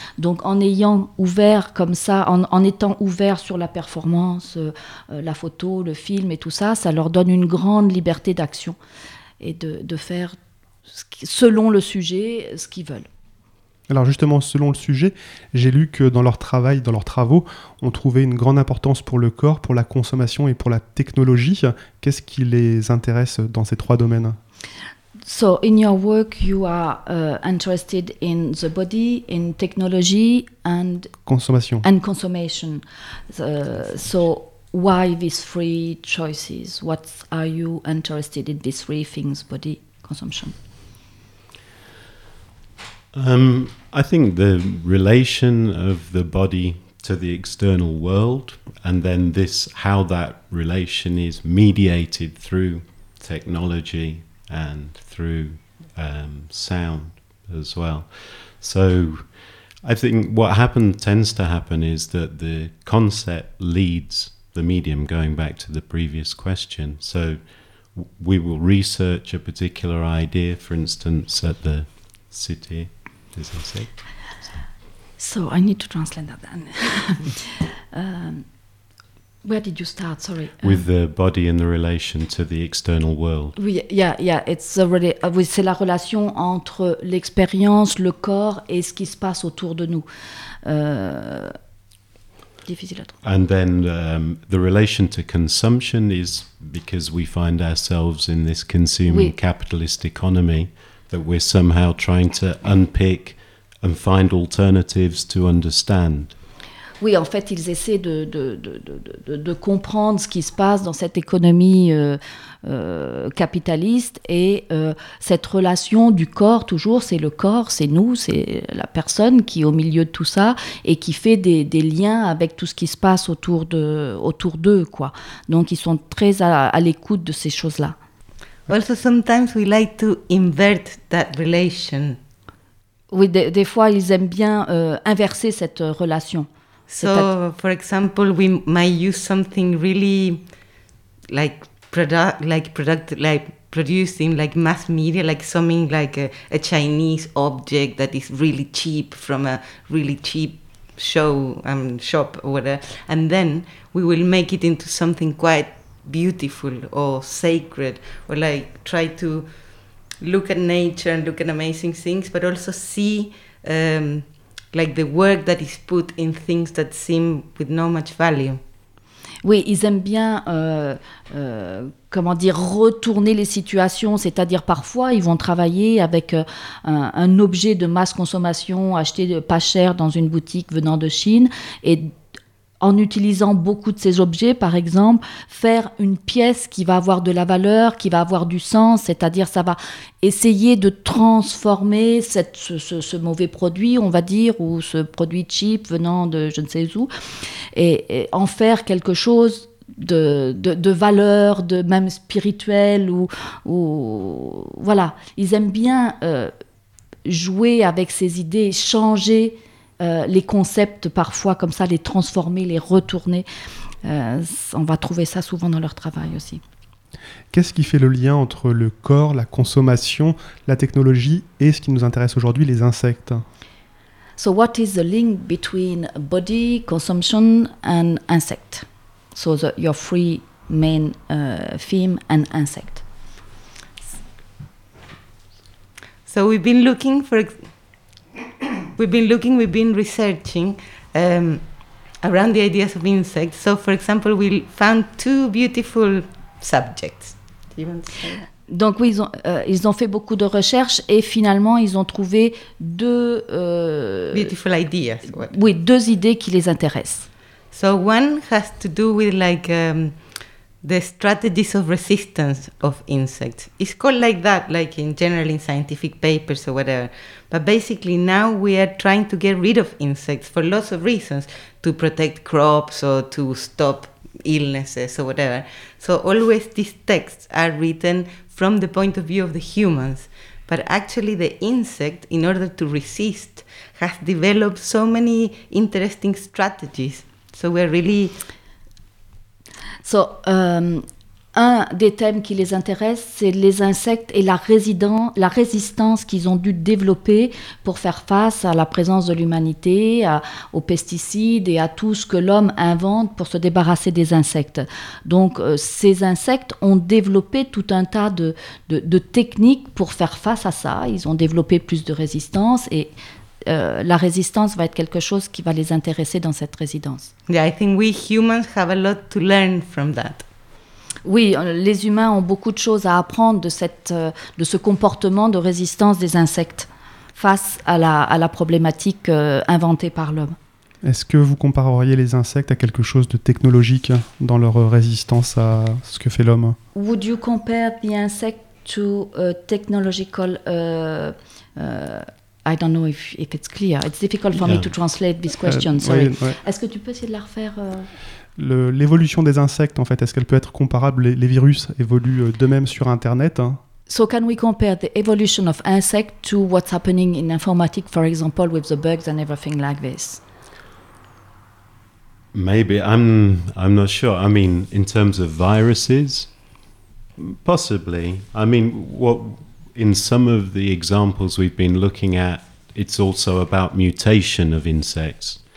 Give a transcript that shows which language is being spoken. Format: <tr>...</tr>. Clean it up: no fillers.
<fr>Donc en ayant ouvert comme ça, en étant ouvert sur la performance, la photo, le film et tout ça, ça leur donne une grande liberté d'action et de faire selon le sujet ce qu'ils veulent. Alors justement, selon le sujet, j'ai lu que dans leur travail, dans leurs travaux, on trouvait une grande importance pour le corps, pour la consommation et pour la technologie. Qu'est-ce qui les intéresse dans ces trois domaines ?</fr> <en>So in your work, you are interested in the body, in technology, and</en> <fr>consommation.</fr> <en>And consommation. So why these three choices? What are you interested in these three things, body, consumption? I think the relation of the body to the external world, and then this, how that relation is mediated through technology and through sound as well. So I think what tends to happen is that the concept leads the medium, going back to the previous question. So we will research a particular idea, for instance, at the city. So I need to translate that then. Where did you start? Sorry. With the body and the relation to the external world.</en> <fr>Oui,</fr> <en>it's already.</en> <fr>Oui, c'est la relation entre l'expérience, le corps et ce qui se passe autour de nous. Difficile à trouver.</fr> <en>And then the relation to consumption is because we find ourselves in this consuming capitalist economy that we're somehow trying to unpick and find alternatives to understand.</en> <fr>Oui, en fait, ils essaient de comprendre ce qui se passe dans cette économie capitaliste et cette relation du corps, toujours, c'est le corps, c'est nous, c'est la personne qui est au milieu de tout ça et qui fait des liens avec tout ce qui se passe autour d'eux, quoi. Donc, ils sont très à l'écoute de ces choses-là.</fr> <en>Also, sometimes we like to invert that relation.</en> <fr>Oui, des fois, ils aiment bien inverser cette relation.</fr> <en>So, for example, we might use something really produced in like mass media, like something like a Chinese object that is really cheap from a really cheap show shop or whatever, and then we will make it into something quite beautiful or sacred, or like try to look at nature and look at amazing things, but also see like the work that is put in things that seem with not much value.</en> <fr>Oui, ils aiment bien, retourner les situations, c'est-à-dire parfois ils vont travailler avec un objet de masse consommation acheté pas cher dans une boutique venant de Chine, et en utilisant beaucoup de ces objets, par exemple, faire une pièce qui va avoir de la valeur, qui va avoir du sens, c'est-à-dire ça va essayer de transformer ce mauvais produit, on va dire, ou ce produit cheap venant de je ne sais où, et en faire quelque chose de valeur, de même spirituel, ou voilà. Ils aiment bien jouer avec ces idées, changer les concepts, parfois, comme ça, les transformer, les retourner. On va trouver ça souvent dans leur travail aussi. Qu'est-ce qui fait le lien entre le corps, la consommation, la technologie et ce qui nous intéresse aujourd'hui, les insectes?</fr> <en>So what is the link between body, consumption and insect? So your three main theme and insect. So we've been looking for... we've been researching around the ideas of insects. So, for example, we found two beautiful subjects.</en> <fr>Donc oui, ils ont fait beaucoup de recherches et finalement ils ont trouvé deux</fr> <en>beautiful ideas.</en> <fr>Oui, deux idées qui les intéressent.</fr> <en>So one has to do with like the strategies of resistance of insects. It's called like that, like in general in scientific papers or whatever. But basically now we are trying to get rid of insects for lots of reasons, to protect crops or to stop illnesses or whatever. So always these texts are written from the point of view of the humans. But actually the insect, in order to resist, has developed so many interesting strategies. So we're really... So,</en> <fr>un des thèmes qui les intéresse, c'est les insectes et la résistance qu'ils ont dû développer pour faire face à la présence de l'humanité, aux pesticides et à tout ce que l'homme invente pour se débarrasser des insectes. Donc, ces insectes ont développé tout un tas de techniques pour faire face à ça. Ils ont développé plus de résistance et la résistance va être quelque chose qui va les intéresser dans cette résidence.</fr> <en>Yeah, I think we humans have a lot to learn from that.</en> <fr>Oui, les humains ont beaucoup de choses à apprendre de ce comportement de résistance des insectes face à la problématique inventée par l'homme. Est-ce que vous compareriez les insectes à quelque chose de technologique dans leur résistance à ce que fait l'homme?</fr> <en>Would you compare the insect to technological... I don't know if it's clear. It's difficult for me to translate this question, sorry.</en> <fr>Oui, ouais. Est-ce que tu peux essayer de la refaire L'évolution des insectes, en fait, est-ce qu'elle peut être comparable? Les virus évoluent d'eux-mêmes sur Internet, hein?</fr> <en>So can we compare the evolution of insects to what's happening in informatics, for example, with the bugs and everything like this? Maybe. I'm not sure. I mean, in terms of viruses, possibly. I mean, what in some of the examples we've been looking at, it's also about mutation of insects.</en>